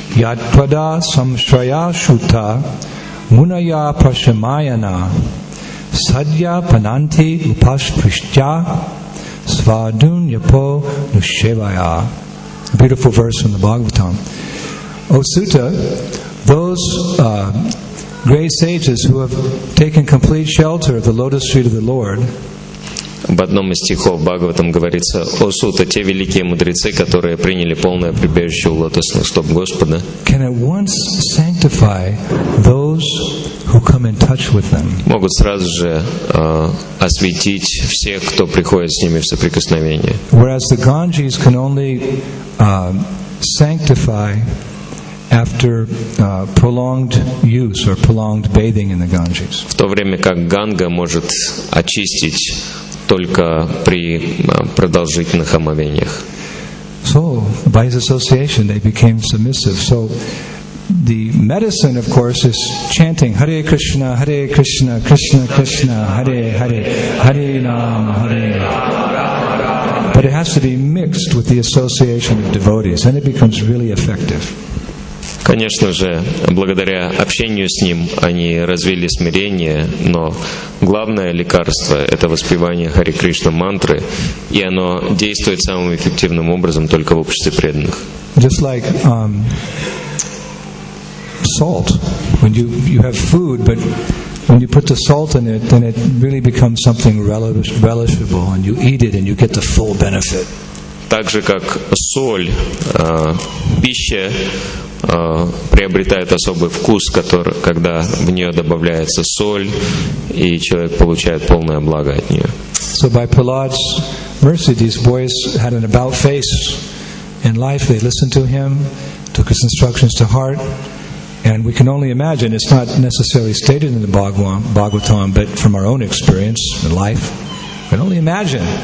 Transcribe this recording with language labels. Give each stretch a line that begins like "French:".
Sanskrit: Ядпада самшраяшута муная пашамаяна садья пананти упашприштя свадуньяпо нушевая.
English: Beautiful verse from the Bhagavatam. O Sutta, those great sages who have taken complete shelter of the lotus feet of the Lord.
Russian: В одном из стихов Бхагаватам говорится: «О Сута, те великие мудрецы, которые приняли полное прибежище у лотосных стоп Господа,
English: can at once sanctify those who come in touch with them.
Russian: Могут сразу же осветить всех, кто приходит с ними в соприкосновение.
English: Whereas the Ganges can only sanctify after prolonged use or prolonged bathing in the Ganges.
Russian: В то время как Ганга может очистить только при продолжительных омовениях.
English: So, by his association, they became submissive. So, the medicine, of course, is chanting Hare Krishna, Hare Krishna, Krishna Krishna, Hare Hare, Hare Nama, Hare. But it has to be mixed with the association of devotees, and it becomes really effective.
Russian: Конечно же, благодаря общению с ним они развили смирение, но главное лекарство — это воспевание Хари Кришна мантры, и оно действует самым эффективным образом только в обществе преданных.
English: Just like salt, when you have food, but when you put the salt in it, then it really becomes something relishable, and you eat it, and you get the full benefit.
Russian: Так же, как соль, пища приобретает особый вкус, который, когда в нее добавляется соль, и человек получает полное благо от нее.
English: So by Prahlad's mercy, these boys had an about face in life. They listened to him, took his instructions to heart, and we can only imagine, it's not necessarily stated in the Bhagavatam, but from our own experience in life, we can only imagine.